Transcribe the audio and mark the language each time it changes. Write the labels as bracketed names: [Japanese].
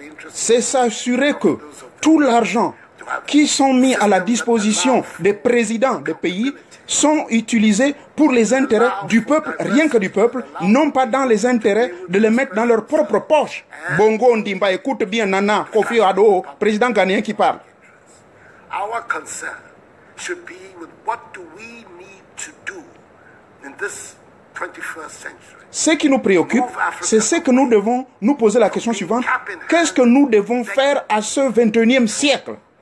[French] C'est s'assurer que tout l'argent qui sont mis à la disposition des présidents des pays sont utilisés pour les intérêts du peuple, rien que du peuple, non pas dans les intérêts de les mettre dans leur propre poche. Bongo Ondimba, écoute bien Nana Kofi Addo, président ghanéen qui parle. [English] Our concern should be with what do we need to do in this 21st century. [French] Ce qui nous préoccupe, c'est ce que nous devons nous poser la question suivante. Qu'est-ce que nous devons faire à ce 21e siècle?